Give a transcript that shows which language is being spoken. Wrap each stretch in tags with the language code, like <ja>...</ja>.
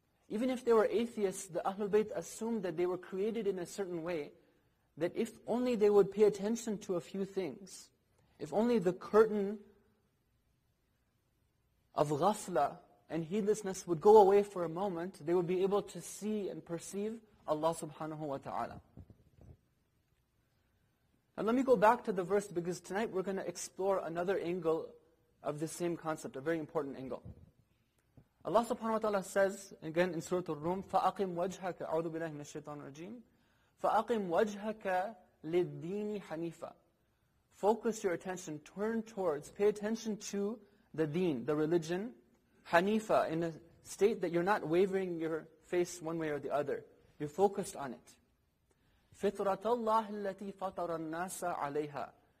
<en>Even if they were atheists, the Ahlul Bayt assumed that they were created in a certain way, that if only they would pay attention to a few things, if only the curtain of ghafla and heedlessness would go away for a moment, they would be able to see and perceive Allah subhanahu wa ta'ala. And let me go back to the verse, because tonight we're going to explore another angle of the same concept, a very important angle. Allah subhanahu wa ta'ala says, again in Surah Al-Rum,</en> <ar>فَأَقِمْ وَجْهَكَ أَعُوذُ بِاللَّهِ مِنَ الشَّيْطَانِ الرَّجِيمِ فَأَقِمْ وَجْهَكَ لِلدِّينِ حَنِيفًا.</ar> <en>Focus your attention, turn towards, pay attention to the deen, the religion, Hanifa, in a state that you're not wavering your face one way or the other. You're focused on it.</en> <ar>فِطْرَةَ اللَّهِ الَّتِي فَطَرَ النَّاسَ عَلَيْهَا.</ar>